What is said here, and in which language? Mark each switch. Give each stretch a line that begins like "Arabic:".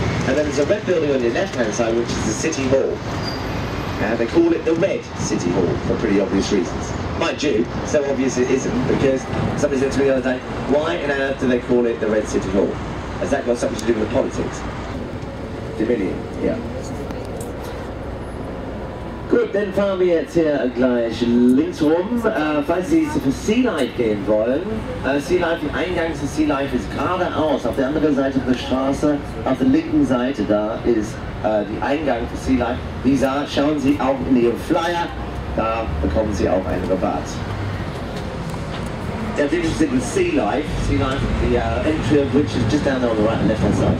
English: And then there's a red building on your left hand side, which is the City Hall. And they call it the Red City Hall for pretty obvious reasons. Mind you, so obvious it isn't, because somebody said to me the other day, why on earth do they call it the Red City Hall? Has that got something to do with the politics? Dominion, yeah.
German: Gut, dann fahren wir jetzt hier gleich links rum. Falls Sie für Sea Life gehen wollen, Sea Life, der Eingang zu Sea Life ist geradeaus auf der anderen Seite der Straße, auf der linken Seite da ist der Eingang für Sea Life. Wie gesagt, schauen Sie auch in Ihrem Flyer, da bekommen Sie auch einen Rabatt. Der Digital City ist Sea Life.
English: Sea Life, the entry of which is just down there on the right and left hand side.